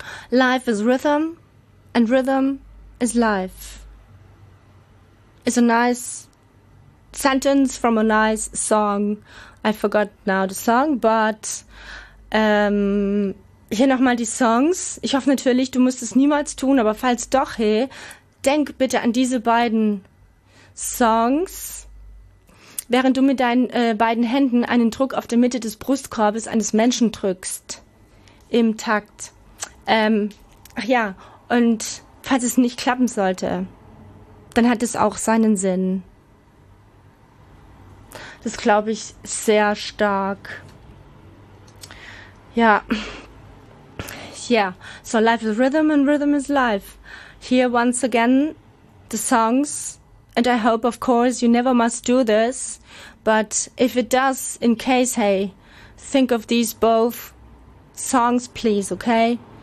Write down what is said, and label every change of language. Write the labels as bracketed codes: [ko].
[en] Life is rhythm, and rhythm is life. It's a nice sentence from a nice song. I forgot now the song, but [de] hier nochmal die Songs. Ich hoffe natürlich, du musst es niemals tun, aber falls doch, hey, denk bitte an diese beiden Songs, während du mit deinen beiden Händen einen Druck auf der Mitte des Brustkorbes eines Menschen drückst, im Takt. Ach ja, und falls es nicht klappen sollte, dann hat es auch seinen Sinn. Das glaube ich sehr stark. Ja. Yeah. [en] So life is rhythm and rhythm is life. Here once again, the songs. And I hope, of course, you never must do this. But if it does, in case, hey, think of these both songs, please, okay?